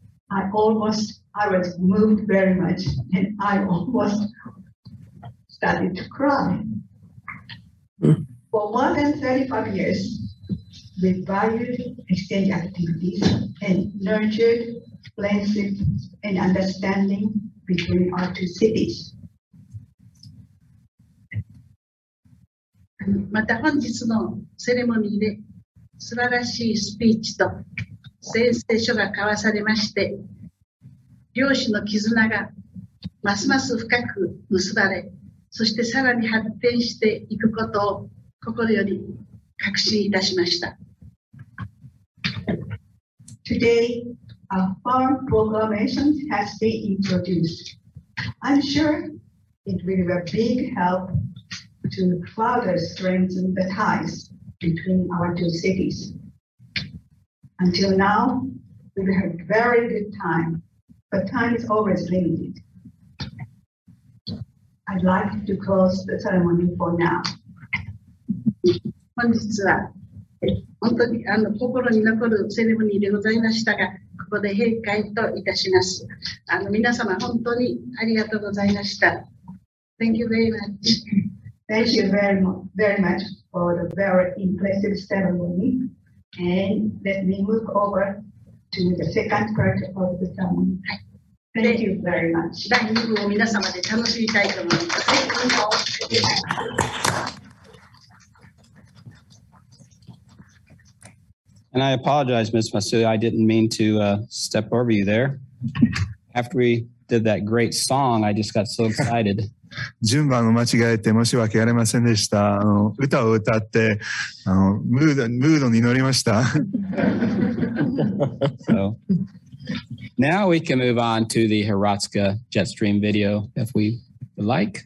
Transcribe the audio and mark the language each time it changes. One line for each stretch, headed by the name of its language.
English: I was moved very much and I almost started to cry. For more than 35 years, we valued exchange activities and nurtured friendship and understanding between our two cities.
Japanese: また本日のセレモニーで素晴らしいスピーチと宣誓書が交わされまして、両氏の絆がますます深く結ばれ、そしてさらに発展していくことを心より確信いたしました。
English: Today, a firm proclamation has been introduced. I'm sure it will be a big help to further strengthen the ties between our two cities. Until now, we've had very good time, but time is always limited. I'd like to close the ceremony for now.
Japanese: 本日は本当に心に残るセレモニーでございましたが、ここで閉会といたします。皆様本当にありがとうございました。
English: Thank you very much. Thank you very much for the very impressive ceremony. And let me move over to the second part of the ceremony. Thank you very much.
Japanese: 第2部を皆様で楽しみたいと思います。
English: Thank you. And I apologize, Ms. Masui, I didn't mean to step over you there. After we did that great song, I just got so excited.
Japanese: 順番を間違えて申し訳ありませんでした。歌を歌ってムードに乗りました。
English: So, now we can move on to the Hrotska Jetstream video, if we would like.